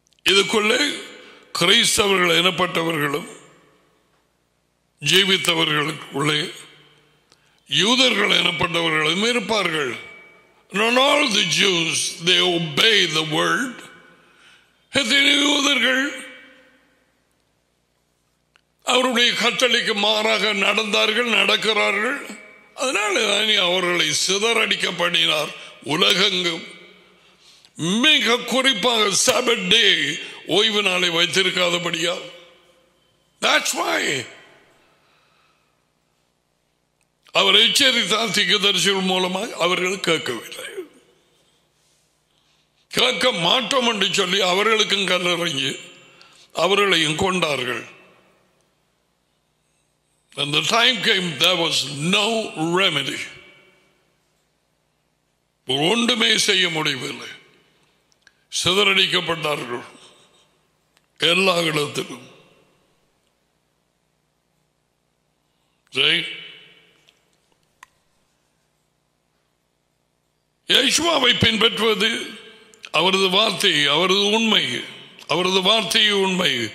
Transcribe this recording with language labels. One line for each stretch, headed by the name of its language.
Tamil: இதுக்குள்ளே கிறிஸ்தவர்கள் எனப்பட்டவர்களும் ஜீவித்தவர்களுக்குள்ளே யூதர்கள் எனப்பட்டவர்களும் இருப்பார்கள்.
English: Not all the Jews, they obey the word.
Tamil: யூதர்கள் அவருடைய கட்டளைக்கு மாறாக நடந்தார்கள், நடக்கிறார்கள். அதனால தானே அவர்களை சிதறடிக்கப்படினார் உலகெங்கும். மிக குறிப்பாக சபட் டே ஓய்வு நாளை வைத்திருக்காதபடியால்.
English: That's why
Tamil: அவர் எச்சரித்தால் தீர்க்கதரிசிகள் மூலமாக அவர்கள் கேட்கவில்லை, கேட்க மாட்டோம் என்று சொல்லி அவர்களுக்கும் கல்லறிஞ்சு அவர்களையும் கொண்டார்கள்.
English: When the time came, there was no remedy.
Tamil: ஒன்றுமே செய்ய முடியவில்லை. சிதறடிக்கப்பட்டார்கள் எல்லா இடத்திலும். யேசுவாவை பின்பற்றுவது அவரது வார்த்தை, அவரது உண்மை, அவரது வார்த்தை உண்மை.